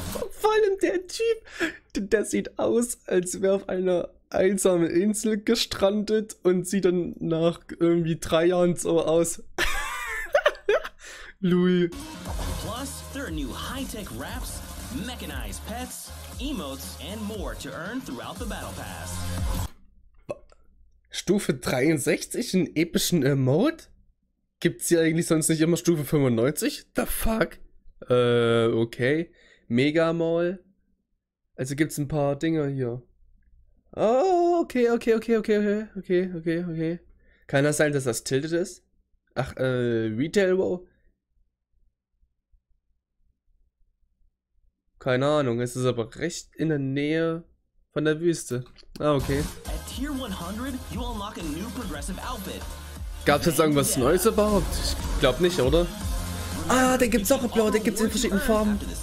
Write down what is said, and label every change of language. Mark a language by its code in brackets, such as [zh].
[de] Vor allem der Typ, der sieht aus, als wäre auf einer einsamen Insel gestrandet und sieht dann nach irgendwie 3 Jahren so aus. Louis. [en] Plus, there are new high-tech wraps, mechanized pets. Emotes and more to earn throughout the battle pass. [de] Stufe 63 in epischen Emote? Gibt's hier eigentlich sonst nicht immer Stufe 95? [en] The fuck? [de] Okay. Mega Mall. Also gibt's ein paar Dinger hier. Oh, okay. Kann das sein, dass das Tilted ist? Ach, Retail Wow? Keine Ahnung, es ist aber recht in der Nähe von der Wüste. Ah, okay. [en] At Tier 100, you unlock a new progressive outfit. [de] Gab's jetzt irgendwas Neues überhaupt? Ich glaube nicht, oder? Ah, den gibt's auch in Blau, den gibt's in verschiedenen Farben.